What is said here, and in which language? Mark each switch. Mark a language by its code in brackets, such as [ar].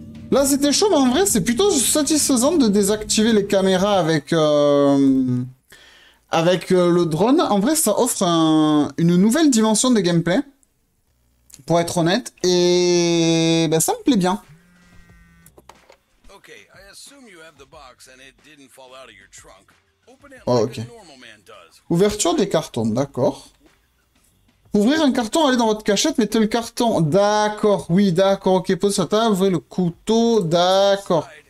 [fr] Là, c'était chaud, mais en vrai, c'est plutôt satisfaisant de désactiver les caméras avec le drone. En vrai, ça offre une nouvelle dimension de gameplay, pour être honnête. Et ben, ça me plaît bien. [en] Okay, I assume you have the box and it didn't fall out of your trunk. Open it Oh, like a ok. normal man does. [fr] Ouverture des cartons, d'accord. Ouvrir un carton, aller dans votre cachette, mettez le carton. D'accord, oui, d'accord, ok, pose sur table, ouvrez le couteau, d'accord.